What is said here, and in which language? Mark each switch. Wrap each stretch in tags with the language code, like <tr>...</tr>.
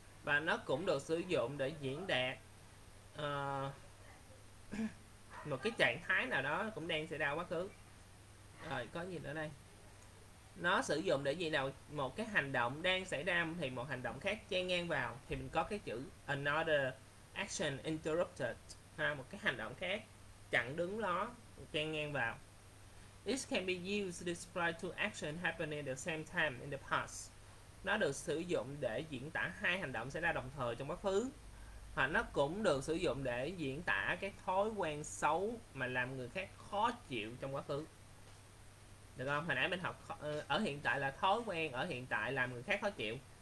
<vi>Và nó cũng được sử dụng để diễn đạt một cái trạng thái nào đó cũng đang xảy ra quá khứ. Rồi, có gì nữa đây? Nó sử dụng để gì nào? Một cái hành động đang xảy ra thì một hành động khác chen ngang vào, thì mình có cái chữ</vi> <en>another action interrupted</en> <vi>ha, một cái hành động khác chặn đứng nó chen ngang vào.</vi> <en>This can be used to describe two action happening at the same time in the past.</en> <vi>Nó được sử dụng để diễn tả hai hành động xảy ra đồng thời trong quá khứ. Hoặc nó cũng được sử dụng để diễn tả cái thói quen xấu mà làm người khác khó chịu trong quá khứ. Được không? Hồi nãy mình học ở hiện tại là thói quen ở hiện tại làm người khác khó chịu.</vi>